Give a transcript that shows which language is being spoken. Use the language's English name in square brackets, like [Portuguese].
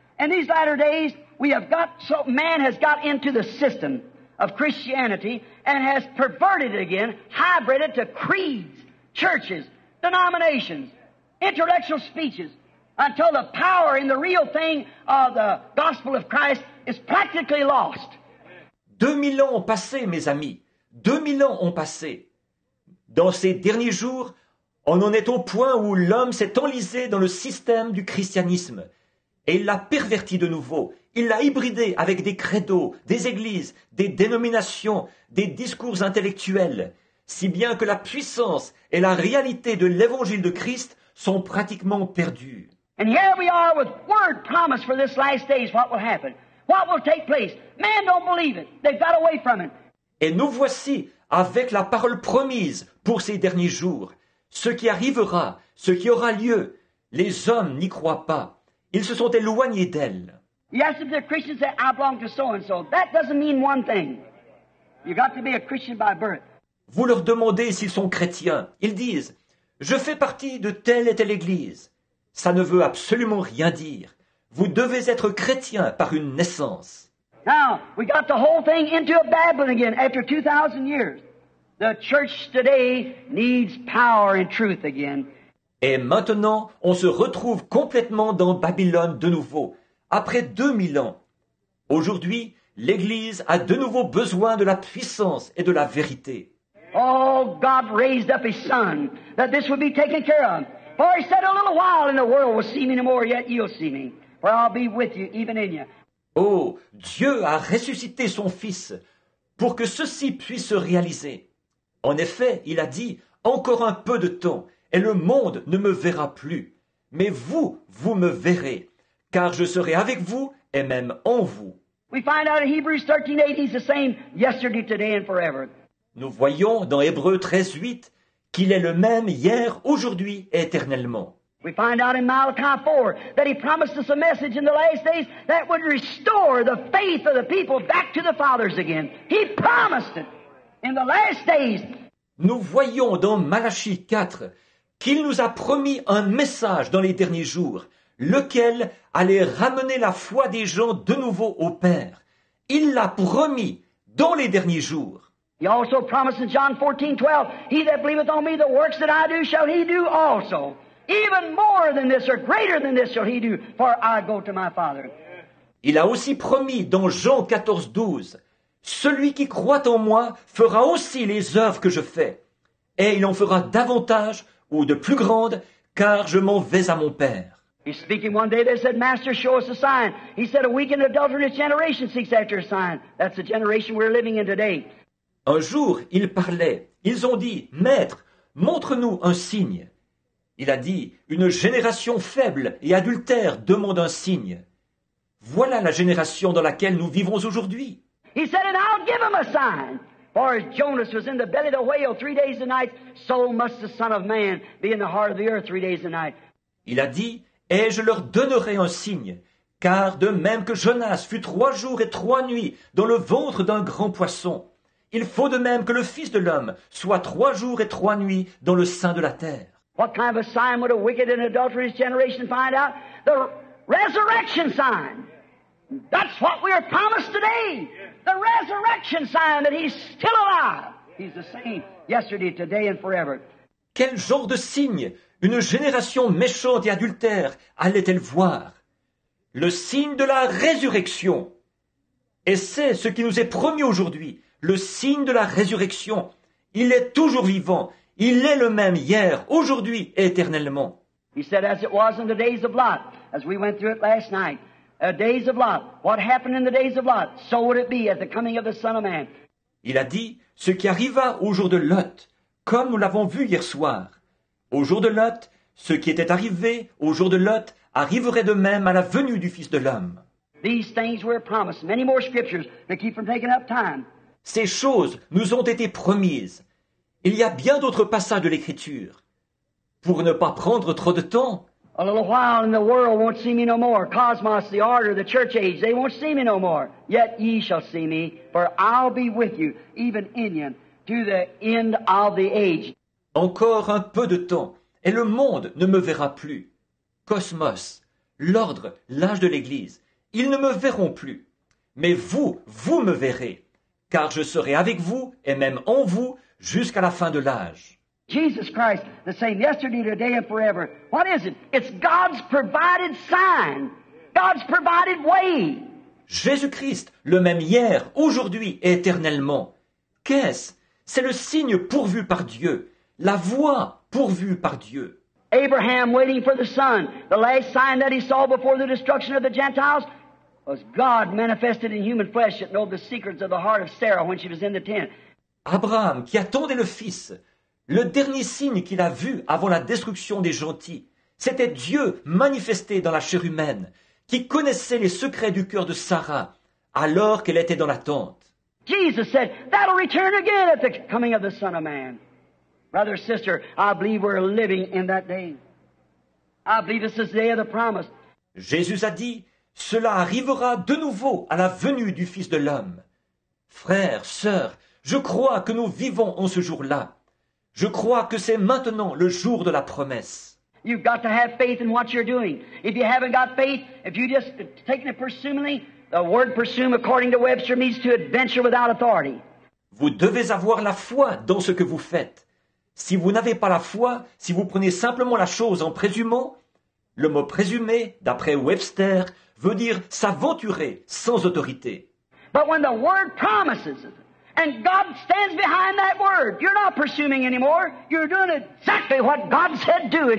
[English] And these latter days, we have got, so man has got into the system of Christianity and has perverted it again, hybrided to creeds, churches, denominations, intellectual speeches, until the power in the real thing of the gospel of Christ is practically lost. [French] 2,000 ans ont passé, mes amis. 2,000 ans ont passé. Dans ces derniers jours, on en est au point où l'homme s'est enlisé dans le système du christianisme et il l'a perverti de nouveau. Il l'a hybridé avec des credos, des églises, des dénominations, des discours intellectuels, si bien que la puissance et la réalité de l'évangile de Christ sont pratiquement perdues. [English] And here we are with word promise for this last days, what will happen? What will take place? Man don't believe it. They've got away from it. [French] Et nous voici avec la parole promise pour ces derniers jours. Ce qui arrivera, ce qui aura lieu, les hommes n'y croient pas. Ils se sont éloignés d'elle. [English] Yes, if the Christians say, I belong to so-and-so, that doesn't mean one thing. You got to be a Christian by birth. [French] Vous leur demandez s'ils sont chrétiens. Ils disent, je fais partie de telle et telle église. Ça ne veut absolument rien dire. Vous devez être chrétien par une naissance. [English] Now, we got the whole thing into a babbling again after 2,000 years. The church today needs power and truth again. [French] Et maintenant, on se retrouve complètement dans Babylone de nouveau, après 2,000 ans. Aujourd'hui, l'Église a de nouveau besoin de la puissance et de la vérité. [English] Oh, God raised up His Son, that this would be taken care of. For He said, a little while and the world will see me no more, yet you'll see me. For I'll be with you, even in you. [French] Oh, Dieu a ressuscité Son Fils pour que ceci puisse se réaliser. En effet, il a dit, encore un peu de temps, et le monde ne me verra plus. Mais vous, vous me verrez, car je serai avec vous et même en vous. [English] We find out in Hebrews 13:8 he's the same yesterday, today and forever. [French] Nous voyons dans Hébreux 13:8 qu'il est le même hier, aujourd'hui et éternellement. [English] We find out in Malachi 4 that he promised us a message in the last days that would restore the faith of the people back to the fathers again. He promised it in the last days. [French] Nous voyons dans Malachi 4 qu'il nous a promis un message dans les derniers jours, lequel allait ramener la foi des gens de nouveau au Père. Il l'a promis dans les derniers jours. [English] He also promised in John 14:12, he that believeth on me, the works that I do shall he do also. Even more than this, or greater than this, shall he do, for I go to my Father. [French] Il a aussi promis dans Jean 14:12, celui qui croit en moi fera aussi les œuvres que je fais, et il en fera davantage ou de plus grandes, car je m'en vais à mon Père. [English] He's speaking one day, they said, Master, show us a sign. He said, a weak and adulterous generation seeks after a sign. That's the generation we're living in today. [French] Un jour, il parlait. Ils ont dit, Maître, montre-nous un signe. Il a dit, une génération faible et adultère demande un signe. Voilà la génération dans laquelle nous vivons aujourd'hui. [English] He said, and I'll give him a sign. For as Jonas was in the belly of the whale 3 days and nights, so must the Son of Man be in the heart of the earth 3 days and nights. [French] Il a dit, et je leur donnerai un signe, car de même que Jonas fut 3 jours et 3 nuits dans le ventre d'un grand poisson, il faut de même que le Fils de l'homme soit 3 jours et 3 nuits dans le sein de la terre. [English] What kind of a sign would a wicked and adulterous generation find out? The resurrection sign. That's what we are promised today. The resurrection sign that he's still alive. He's the same yesterday, today and forever. [French] Quel genre de signe une génération méchante et adultère allait-elle voir? Le signe de la résurrection. Et c'est ce qui nous est promis aujourd'hui. Le signe de la résurrection. Il est toujours vivant. Il est le même hier, aujourd'hui et éternellement. [English] He said as it was in the days of Lot, as we went through it last night. Days of Lot. What happened in the days of Lot? So would it be at the coming of the Son of Man. [French] Il a dit, ce qui arriva au jour de Lot, comme nous l'avons vu hier soir. Au jour de Lot, ce qui était arrivé au jour de Lot arriverait de même à la venue du Fils de l'homme. [English] These things were promised. Many more scriptures to keep from taking up time. [French] Ces choses nous ont été promises. Il y a bien d'autres passages de l'Écriture. Pour ne pas prendre trop de temps. [English] A little while and the world won't see me no more. Cosmos, the order, the church age, they won't see me no more. Yet ye shall see me, for I'll be with you, even in you, to the end of the age. [French] Encore un peu de temps, et le monde ne me verra plus. Cosmos, l'ordre, l'âge de l'Église, ils ne me verront plus. Mais vous, vous me verrez, car je serai avec vous, et même en vous, jusqu'à la fin de l'âge. [English] Jesus Christ, the same yesterday, today, and forever. What is it? It's God's provided sign. God's provided way. [French] Jésus-Christ, le même hier, aujourd'hui et éternellement. Qu'est-ce? C'est le signe pourvu par Dieu. La voie pourvue par Dieu. [English] Abraham waiting for the son. The last sign that he saw before the destruction of the Gentiles was God manifested in human flesh that knew the secrets of the heart of Sarah when she was in the tent. [French] Abraham, qui attendait le fils, le dernier signe qu'il a vu avant la destruction des gentils, c'était Dieu manifesté dans la chair humaine, qui connaissait les secrets du cœur de Sarah alors qu'elle était dans la tente. [English] Jesus said, that'll return again at the coming of the Son of Man. Brother, sister, I believe we're living in that day. I believe this is the day of the promise. [French] Jésus a dit, cela arrivera de nouveau à la venue du Fils de l'homme. Frères, sœurs, je crois que nous vivons en ce jour-là. Je crois que c'est maintenant le jour de la promesse. [English] You've got to have faith in what you're doing. If you haven't got faith, if you just taking it presumably, the word presume according to Webster means to adventure without authority. [French] Vous devez avoir la foi dans ce que vous faites. Si vous n'avez pas la foi, si vous prenez simplement la chose en présumant, le mot présumer, d'après Webster, veut dire s'aventurer sans autorité. [English] But when the word promises and God stands behind that word, you're not presuming anymore. You're doing exactly what God said do it.